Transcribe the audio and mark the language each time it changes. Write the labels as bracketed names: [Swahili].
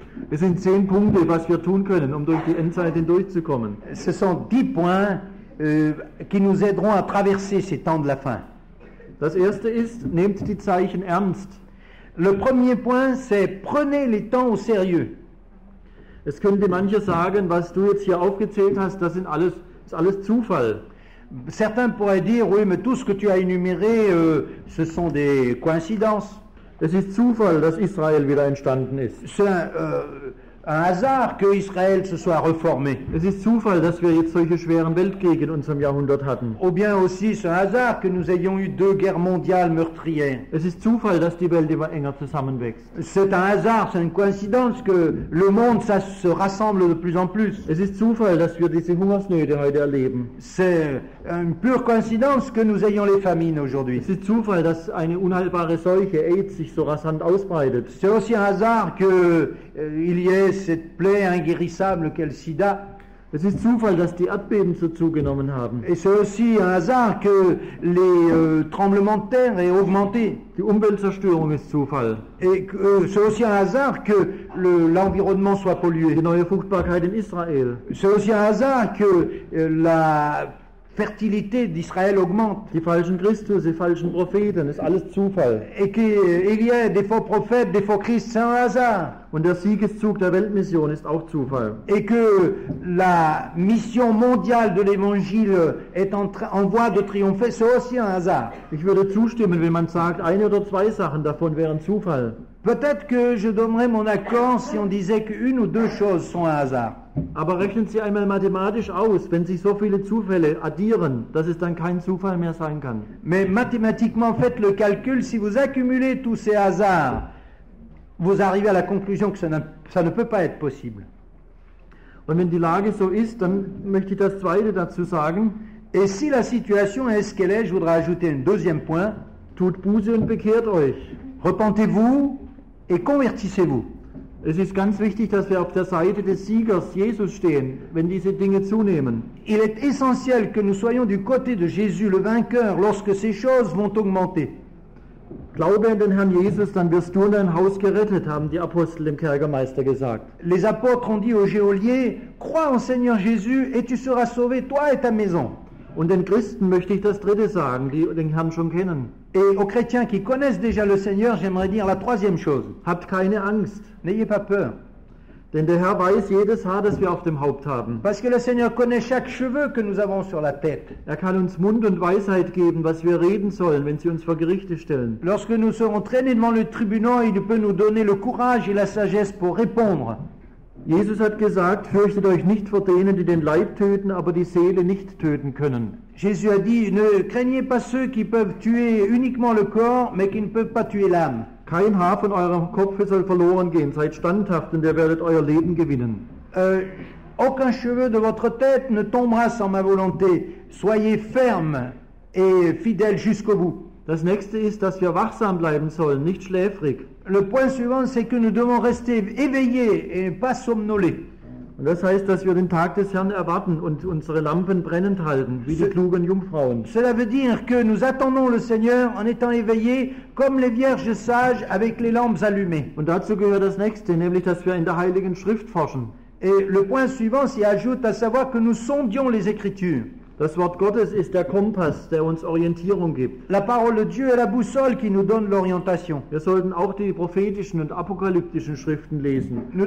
[German] Es sind 10 Punkte, was wir tun können, um durch die Endzeit hindurchzukommen. [French] Ce sont 10 points qui nous aideront à traverser ces temps de la fin. [German] Das erste ist, nehmt die Zeichen ernst. [French] Le premier point, c'est prenez les temps au sérieux. [German] Es könnte manche sagen, was du jetzt hier aufgezählt hast, das sind alles, ist alles Zufall. [French] Certains pourraient dire, oui, mais tout ce que tu as énuméré, ce sont des coïncidences. [German] Es ist Zufall, dass Israel wieder entstanden ist. [French] C'est un hasard que Israël se soit reformé. [German] Es ist Zufall, dass wir jetzt solche schweren Weltkriege in unserem Jahrhundert hatten. [French] Ou bien aussi, c'est un hasard que nous ayons eu deux guerres mondiales meurtrières. [German] Es ist Zufall, dass die Welt immer enger zusammenwächst. [French] C'est un hasard, c'est une coïncidence que le monde ça se rassemble de plus en plus. [German] Es ist Zufall, dass wir diese Hungersnöte heute erleben. [French] C'est une pure coïncidence que nous ayons les famines aujourd'hui. [German] Es ist Zufall, dass eine unheilbare Seuche AIDS sich so rasant ausbreitet. [French] C'est aussi un hasard que il y ait cette plaie inguérissable qu'est le sida. [German] Es ist Zufall, dass die Erdbeben so zugenommen haben. [French] Et c'est aussi un hasard que les tremblements de terre aient augmenté. [German] Die Umweltzerstörung ist Zufall. [French] Et c'est aussi un hasard que l'environnement soit pollué. [German] Die neue Fruchtbarkeit in Israel. [French] C'est aussi un hasard que la Fertilité d'Israël augmente. [German] Die falschen Christen, die falschen Propheten, ist alles Zufall. [French] Et que il y a des faux prophètes, des faux Christ, c'est un hasard. [German] Und der Siegeszug der Weltmission ist auch Zufall. [French] Et que la mission mondiale de l'Évangile est en voie de triompher, c'est aussi un hasard. [German] Ich würde zustimmen, wenn man sagt, eine oder zwei Sachen davon wären Zufall. [French] Peut-être que je donnerais mon accord si on disait qu'une ou deux choses sont un hasard. [German] Aber rechnen Sie einmal mathematisch aus, wenn Sie so viele Zufälle addieren, dass es dann kein Zufall mehr sein kann. [French] Mais mathématiquement, faites le calcul, si vous accumulez tous ces hasards, vous arrivez à la conclusion que ça ne peut pas être possible. [German] Und wenn die Lage so ist, dann möchte ich das Zweite dazu sagen. [French] Et si la situation est ce qu'elle est, je voudrais ajouter un deuxième point. [German] Tut Buße und bekehrt euch. [French] Repentez-vous et convertissez-vous. [German] Es ist ganz wichtig, dass wir auf der Seite des Siegers Jesus stehen, wenn diese Dinge zunehmen. [French] Il est essentiel que nous soyons du côté de Jésus, le vainqueur, lorsque ces choses vont augmenter. [German] Glaube an den Herrn Jesus, dann wirst du dein Haus gerettet, haben die Apostel dem Kerkermeister gesagt. [French] Les apôtres ont dit au geôlier, crois en Seigneur Jésus et tu seras sauvé, toi et ta maison. [German] Und den Christen möchte ich das Dritte sagen, die den Herrn schon kennen. [French] Et aux chrétiens qui connaissent déjà le Seigneur, j'aimerais dire la troisième chose. [German] Habt keine Angst. [French] N'ayez pas peur. [German] Denn der Herr weiß jedes Haar, das wir auf dem Haupt haben. [French] Parce que le Seigneur connaît chaque cheveu que nous avons sur la tête. [German] Er kann uns Mund und Weisheit geben, was wir reden sollen, wenn sie uns vor Gerichte stellen. [French] Lorsque nous serons traînés devant le tribunal, il peut nous donner le courage et la sagesse pour répondre. [German] Jesus hat gesagt, fürchtet euch nicht vor denen, die den Leib töten, aber die Seele nicht töten können. [French] Jésus a dit, ne craignez pas ceux qui peuvent tuer uniquement le corps, mais qui ne peuvent pas tuer l'âme. [German] Kein Haar von eurem Kopf soll verloren gehen, seid standhaft und ihr werdet euer Leben gewinnen. [French] Aucun cheveu de votre tête ne tombera sans ma volonté. Soyez ferme et fidèle jusqu'au bout. [German] Das nächste ist, dass wir wachsam bleiben sollen, nicht schläfrig. [French] Le point suivant, c'est que nous devons rester éveillés et pas somnoler. [German] Und das heißt, dass wir den Tag des Herrn erwarten und unsere Lampen brennend halten, wie die klugen Jungfrauen. [French] Cela veut dire que nous attendons le Seigneur en étant éveillés, comme les vierges sages avec les lampes allumées. [German] Und dazu gehört das nächste, nämlich, dass wir in der Heiligen Schrift forschen. [French] Et le point suivant s'y ajoute, à savoir que nous sondions les Écritures. [German] Das Wort Gottes ist der Kompass, der uns Orientierung gibt. [French] La parole de Dieu est la boussole qui nous donne l'orientation. [German] Wir sollten auch die prophetischen und apokalyptischen Schriften lesen.